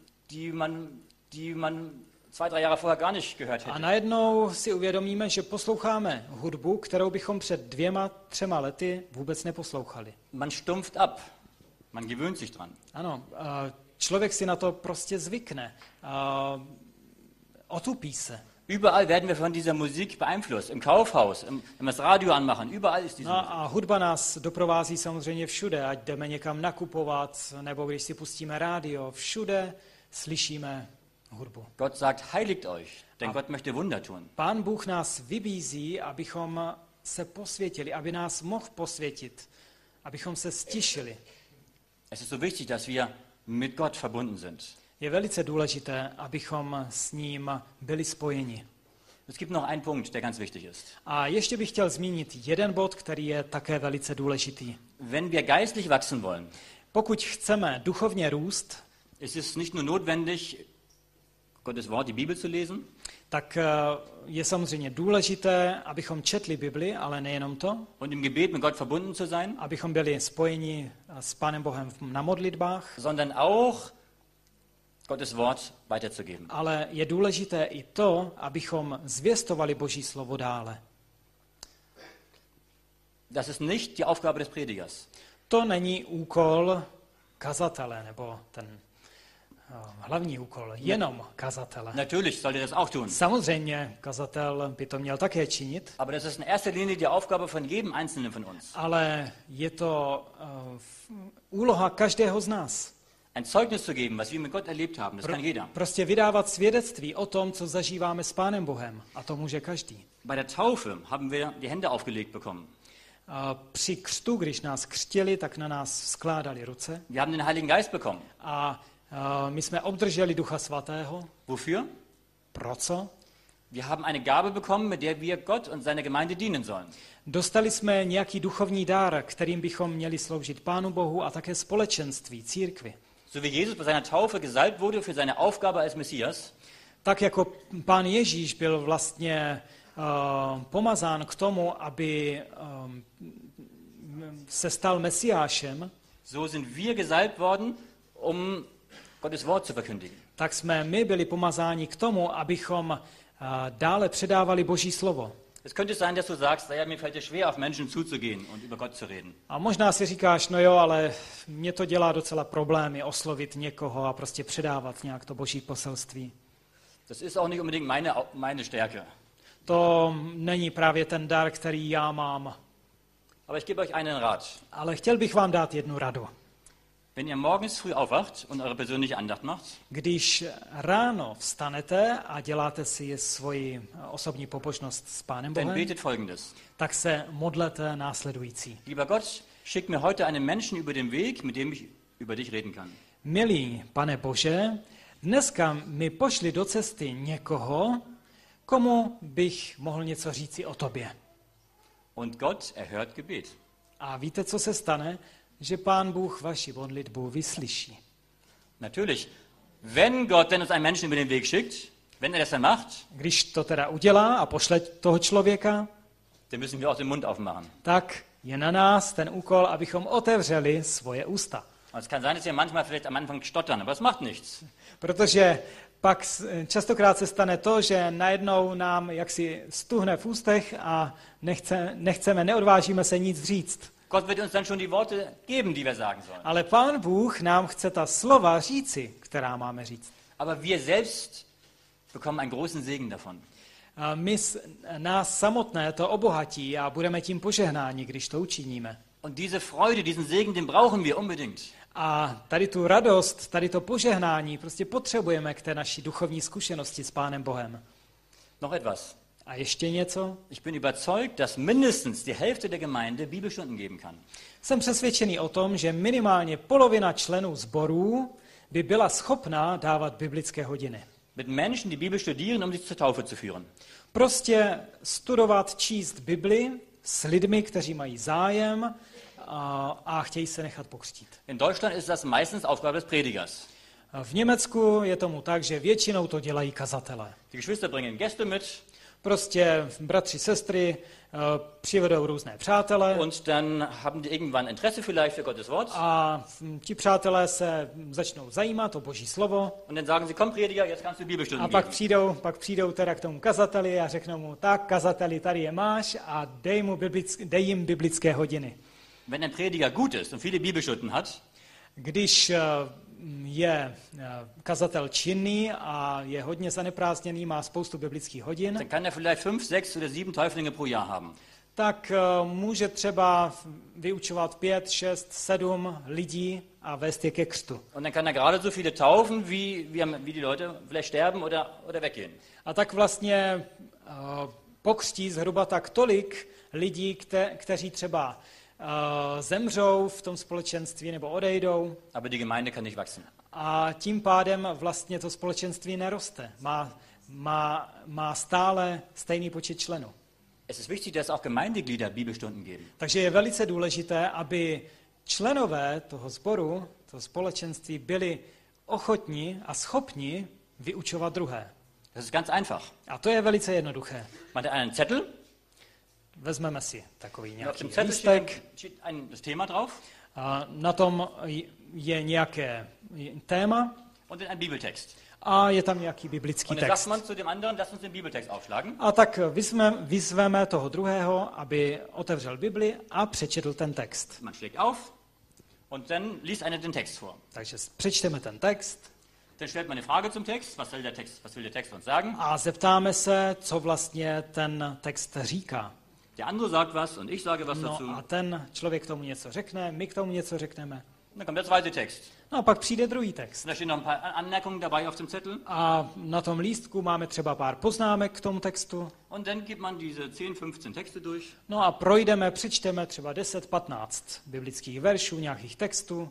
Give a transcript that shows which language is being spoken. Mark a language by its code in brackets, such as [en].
[de] die man 2-3 Jahre vorher gar nicht gehört hätte. [cs] A najednou si uvědomíme, že posloucháme hudbu, kterou bychom před 2-3 lety vůbec neposlouchali. [de] Man stumpft ab. Man gewöhnt sich dran. [cs] Ano, člověk si na to prostě zvykne. Otupí se. [de] Überall werden wir von dieser Musik beeinflusst, im Kaufhaus, wenn wir das Radio anmachen, überall ist diese Musik. [cs] A hudba nás doprovází samozřejmě všude, ať jdeme někam nakupovat, nebo když si pustíme rádio, všude slyšíme hudbu. [de] Gott sagt, heiligt euch, denn Gott möchte Wunder tun. [cs] Pán Bůh nás vybízí, abychom se posvětili, aby nás mohl posvětit, abychom se stišili. [de] Es ist so wichtig, dass wir mit Gott verbunden sind. [cs] Je velice důležité, abychom s ním byli spojeni. [de] Es gibt noch einen Punkt, der ganz wichtig ist. [cs] A ještě bych chtěl zmínit jeden bod, který je také velice důležitý. [de] Wenn wir geistlich wachsen wollen, [cs] pokud chceme duchovně růst, [de] es ist nicht nur notwendig, Gottes Wort, die Bibel zu lesen, [cs] tak je samozřejmě důležité, abychom četli Bibli, ale nejenom to, [de] und im Gebet mit Gott verbunden zu sein, [cs] abychom byli spojeni s Pánem Bohem na modlitbách, [de] sondern auch Gottes Wort weiterzugeben. [cs] Ale je důležité i to, abychom zvěstovali Boží slovo dále. [de] Das ist nicht die Aufgabe des Predigers. [cs] To není úkol kazatele, nebo ten hlavní úkol, jenom kazatele. [de] Natürlich sollte das auch tun. [cs] Samozřejmě, kazatel by to měl také činit. [de] Aber das ist in erster Linie die Aufgabe von jedem einzelnen von uns. [cs] Ale je to úloha každého z nás. [de] Ein Zeugnis zu geben, was wir mit Gott erlebt haben, das kann jeder. [cs] Prostě vydávat svědectví o tom, co zažíváme s Pánem Bohem, a to může každý. [de] Bei der Taufe haben wir die Hände aufgelegt bekommen. [cs] Při křtu, když nás křtili, tak na nás skládali ruce. [de] Wir haben den Heiligen Geist bekommen. [cs] A my jsme obdrželi Ducha Svatého. [de] Wofür? [cs] Pro co? [de] Wir haben eine Gabe bekommen, mit der wir Gott und seiner Gemeinde dienen sollen. [cs] Dostali jsme nějaký duchovní dar, kterým bychom měli sloužit Pánu Bohu a také společenství, církvi. [de] So wie Jesus bei seiner Taufe gesalbt wurde für seine Aufgabe als Messias, [cs] tak jako Pán Ježíš byl vlastně pomazán k tomu, aby se stal Mesiášem, [de] so sind wir gesalbt worden, um Gottes Wort zu verkündigen. [cs] Tak jsme my byli pomazáni k tomu, abychom dále předávali Boží slovo. [de] Es könnte sein, dass du sagst, naja, mir fällt es schwer, auf Menschen zuzugehen und über Gott zu reden. [cs] A možná si říkáš, no jo, ale mě to dělá docela problémy oslovit někoho a prostě předávat nějak to Boží poselství. [de] Das ist auch nicht unbedingt meine Stärke. [cs] To není právě ten dar, který já mám. [de] Aber ich gebe euch einen Rat. [cs] Ale chtěl bych vám dát jednu radu. [de] Wenn ihr morgens früh aufwacht und eure persönliche Andacht macht, [cs] když ráno vstanete a děláte si svoji osobní popočnost s Pánem Bohem, [de] dann betet folgendes. [cs] Tak se modlete následující. [de] Lieber Gott, schick mir heute einen Menschen über den Weg, mit dem ich über dich reden kann. [cs] Milý Pane Bože, dneska mi pošli do cesty někoho, komu bych mohl něco říci o tobě. [de] Und Gott erhört Gebet. [cs] A víte, co se stane? Že Pán Bůh vaši modlitbu vyslyší. [de] Natürlich, wenn Gott denn uns einen Menschen über den Weg schickt, wenn er das dann macht, [cs] když to teda udělá a pošle toho člověka, [de] dann müssen wir auch den Mund aufmachen. [cs] Tak je na nás ten úkol, abychom otevřeli svoje ústa. [de] Es kann sein, dass wir manchmal vielleicht am Anfang stottern, aber es macht nichts. [cs] Protože pak častokrát se stane to, že najednou nám jaksi stuhne v ústech a nechceme, neodvážíme se nic říct. [de] Gott wird uns dann schon die Worte geben, die wir sagen sollen. [cs] Ale Pán Bůh nám chce ta slova říci, která máme říct. [de] Aber wir selbst bekommen einen großen Segen davon. [cs] Nás samotné to obohatí a budeme tím požehnáni, když to učiníme. [de] Und diese Freude, diesen Segen, den brauchen wir unbedingt. [cs] A tady tu radost, tady to požehnání prostě potřebujeme k té naší duchovní zkušenosti s Pánem Bohem. [de] Noch etwas. [cs] A ještě něco? [de] Ich bin überzeugt, dass mindestens die Hälfte der Gemeinde Bibelstunden geben kann. [cs] Jsem přesvědčený o tom, že minimálně polovina členů sborů by byla schopná dávat biblické hodiny. [de] Mit Menschen, die Bibel studieren, um sich zur Taufe zu führen. [cs] Prostě studovat, číst Bibli s lidmi, kteří mají zájem a chtějí se nechat pokřtít. [de] In Deutschland ist das meistens Aufgabe des Predigers. [cs] V Německu je tomu tak, že většinou to dělají kazatelé. [de] Die Geschwister bringen Gäste mit. [cs] Prostě bratři, sestry přivedou různé přátele. [de] Und dann haben die irgendwann Interesse vielleicht für Gottes Wort. [cs] A ti přátelé se začnou zajímat o Boží slovo. [de] Und dann sagen sie, komm Prediger, jetzt kannst du Bibelstunden geben. [cs] A pak přijdou teda k tomu kazateli a řeknou mu, tak kazateli, tady je máš a dej jim biblické hodiny. [de] Wenn ein Prediger gut ist und viele Bibelstunden hat, [cs] když je kazatel činný a je hodně zaneprázdněný, má spoustu biblických hodin, [de] dann kann er vielleicht 5, 6 oder 7 Täuflinge pro Jahr haben. [cs] Tak může třeba vyučovat 5, 6, 7 lidí a vést je ke křtu. [de] Und dann kann er gerade so viele taufen, wie die Leute vielleicht sterben oder weggehen. [cs] A tak vlastně pokřtí zhruba tak tolik lidí, kteří třeba zemřou v tom společenství nebo odejdou. [de] Aber die Gemeinde kann nicht wachsen. [cs] A tím pádem vlastně to společenství neroste. Má stále stejný počet členů. [de] Es ist wichtig, dass auch Gemeindeglieder Bibelstunden geben. [cs] Takže je velice důležité, aby členové toho sboru, toho společenství, byli ochotní a schopni vyučovat druhé. [de] Das ist ganz einfach. [cs] A to je velice jednoduché. Máte [de] einen Zettel? [cs] Vezmeme si takový nějaký lístek. [de] Thema drauf. [cs] A na tom je nějaké téma. [de] Und ein Bibeltext. [cs] A je tam nějaký biblický [de] und [cs] text. [de] Sagt man zu dem anderen, lass uns den Bibeltext aufschlagen. [cs] A tak vyzveme toho druhého, aby otevřel Bibli a přečetl ten text. [de] Man schlägt auf und dann liest einer den Text vor. [cs] Takže přečteme ten text. [de] Dann stellt man eine Frage zum Text, was will der Text uns sagen? [cs] A zeptáme se, co vlastně ten text říká. [de] Der andere sagt was und ich sage was [cs] no, [de] dazu. [cs] A ten člověk tomu něco řekne, my k tomu něco řekneme. [de] Na kommt der zweite Text. [cs] No, a pak přijde druhý text. [de] Da stehen noch ein paar Anmerkungen dabei auf dem Zettel. [cs] A na tom lístku máme třeba pár poznámek k tomu textu. [de] Und dann gibt man diese 10, 15 Texte durch. [cs] No a projdeme, přečteme třeba 10, 15 biblických veršů, nějakých textů.